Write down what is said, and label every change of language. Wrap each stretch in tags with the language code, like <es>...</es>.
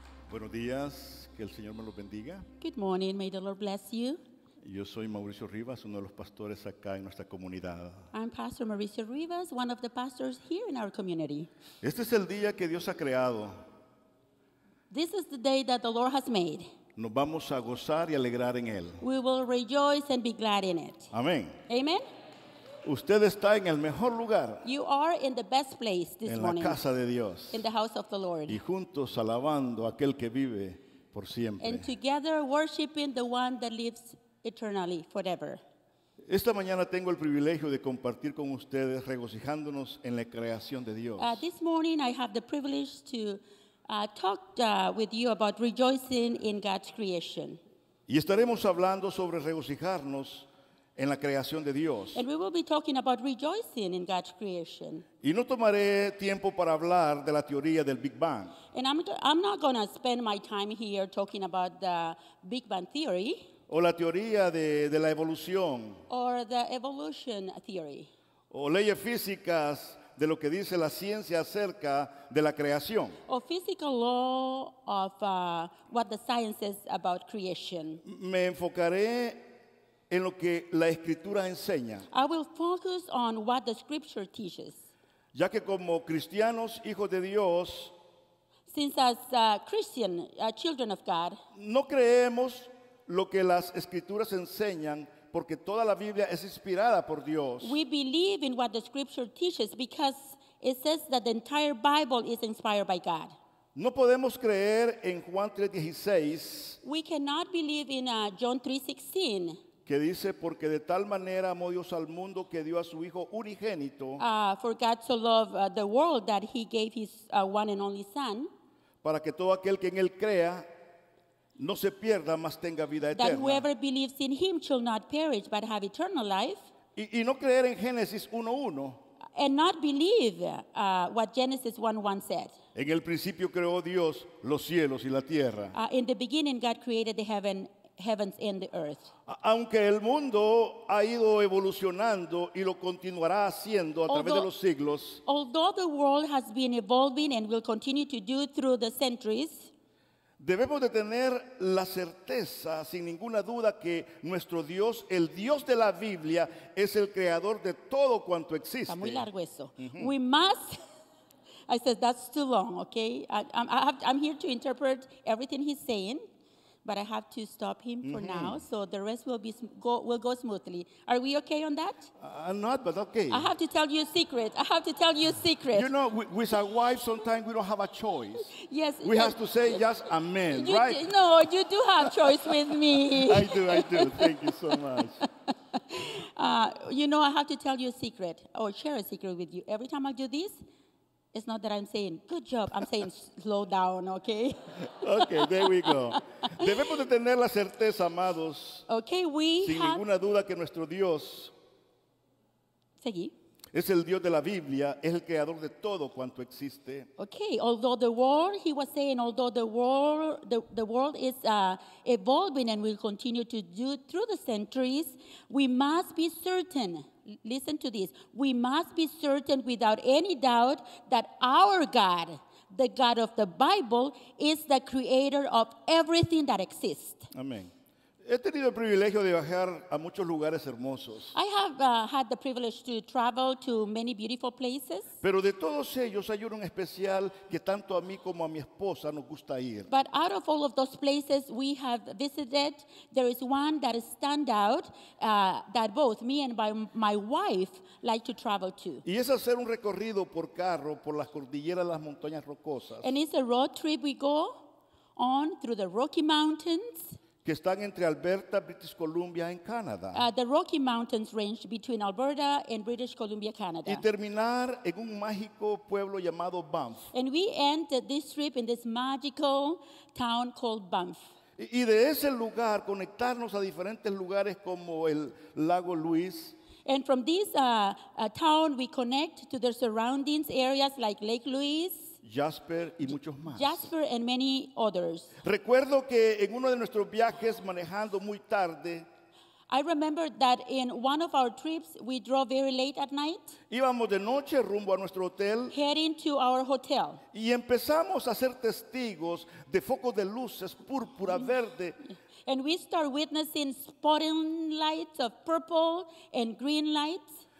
<es>Buenos días, que el Señor me los bendiga.</es> <en>Good morning, may the Lord bless you.</en> <es>Yo soy Mauricio Rivas, uno de los pastores acá en nuestra comunidad.</es> <en>I'm Pastor Mauricio Rivas, one of the pastors here in our community.</en> <es>Este es el día que Dios ha creado.</es> <en>This is the day that the Lord has made.</en> <es>Nos vamos a gozar y alegrar en él.</es> <en>We will rejoice and be glad in it.</en> <es>Amén.</es> <en>Amen.</en> <es>Usted está en el mejor lugar.</es> <en>You are in the best place this morning.</en> <es>En la casa de Dios.</es> <en>In the house of the Lord.</en> <es>Y juntos alabando aquel que vive por siempre.</es> <en>And together worshiping the one that lives eternally, forever.</en> <es>Esta mañana tengo el privilegio de compartir con ustedes regocijándonos en la creación de Dios.</es> <en>This morning I have the privilege to talk with you about rejoicing in God's creation.</en> <es>Y estaremos hablando sobre regocijarnos en la creación de Dios.</es> <en>And we will be talking about rejoicing in God's creation.</en> <es>Y no tomaré tiempo para hablar de la teoría del Big Bang.</es> <en>And I'm not going to spend my time here talking about the Big Bang theory.</en> <es>O la teoría de la evolución.</es> <en>Or the evolution theory.</en> <es>O leyes físicas de lo que dice la ciencia acerca de la creación.</es> <en>O physical law of what the science says about creation.</en> <es>Me enfocaré en lo que la Escritura enseña.</es> <en>I will focus on what the Scripture teaches.</en> <es>Ya que como cristianos, hijos de Dios,</es> <en>since as Christian, children of God,</en> <es>no creemos lo que las Escrituras enseñan porque toda la Biblia es inspirada por Dios.</es> <en>We believe in what the Scripture teaches because it says that the entire Bible is inspired by God.</en> <es>No podemos creer en Juan 3:16.</es> <en>We cannot believe in John 3:16.</en> <es>Que dice, porque de tal manera amó Dios al mundo que dio a su Hijo unigénito.</es> <en>For God so loved the world that he gave his one and only Son.</en> <es>Para que todo aquel que en él crea, no se pierda, mas tenga vida eterna.</es> <en>That whoever believes in him shall not perish, but have eternal life.</en> <es>Y no creer en Génesis 1:1.</es> <en>And not believe what Genesis 1:1 said.</en> <es>En el principio creó Dios los cielos y la tierra.</es> <en>In the beginning God created the heavens and the earth.</en> <es>Aunque el mundo ha ido evolucionando y lo continuará haciendo a través de los siglos.</es> <en>Although the world has been evolving and will continue to do through the centuries.</en> <es>Debemos de tener la certeza, sin ninguna duda, que nuestro Dios, el Dios de la Biblia, es el creador de todo cuanto existe. Está muy largo eso.</es> <en>Uh-huh. We must. I said that's too long. Okay. I'm here to interpret everything he's saying. But I have to stop him for mm-hmm. now, so the rest will go smoothly. Are we okay on that? Not, but okay. I have to tell you a secret. You know, with our wives, sometimes we don't have a choice. Yes. We have to say just amen, you right? No, you do have choice with me. I do. Thank you so much. You know, I have to tell you a secret, or share a secret with you. Every time I do this, it's not that I'm saying, good job. I'm saying, slow down, okay? Okay, there we go.</en> <es>Debemos de tener la certeza, amados.</es> <en>Okay, we</en> <es>sin</es> <en>have</en> <es>ninguna duda que nuestro Dios seguí. Es el Dios de la Biblia, es el creador de todo cuanto existe.</es> <en>Okay, although the world, he was saying, although the world is evolving and will continue to do through the centuries, we must be certain. Listen to this. We must be certain without any doubt that our God, the God of the Bible, is the creator of everything that exists.</en> <es>Amén. He tenido el privilegio de viajar a muchos lugares hermosos.</es> <en>I have had the privilege to travel to many beautiful places.</en> <es>Pero de todos ellos hay uno en especial que tanto a mí como a mi esposa nos gusta ir.</es> <en>But out of all of those places we have visited, there is one that stands out that both me and my wife like to travel to.</en> <es>Y es hacer un recorrido por carro por las cordilleras, las montañas rocosas.</es> <en>And it's a road trip we go on through the Rocky Mountains.</en> <es>Que están entre Alberta, British Columbia, en Canadá.</es> <en>The Rocky Mountains range between Alberta and British Columbia, Canada.</en> <es>Y terminar en un mágico pueblo llamado Banff.</es> <en>And we end this trip in this magical town called Banff.</en> <es>Y de ese lugar conectarnos a diferentes lugares como el Lago Louise.</es> <en>And from this town we connect to the surrounding areas like Lake Louise.</en> <es>Jasper y muchos más.</es> <en>Jasper and many others.</en> <es>Recuerdo que en uno de nuestros viajes manejando muy tarde.</es> <en>I remember that in one of our trips we drove very late at night.</en> <es>Íbamos de noche rumbo a nuestro hotel.</es> <en>Heading to our hotel.</en> <es>Y empezamos a ser testigos de focos de luces púrpura verde.</es> <en>And we start witnessing spotting lights of purple and green lights.</en>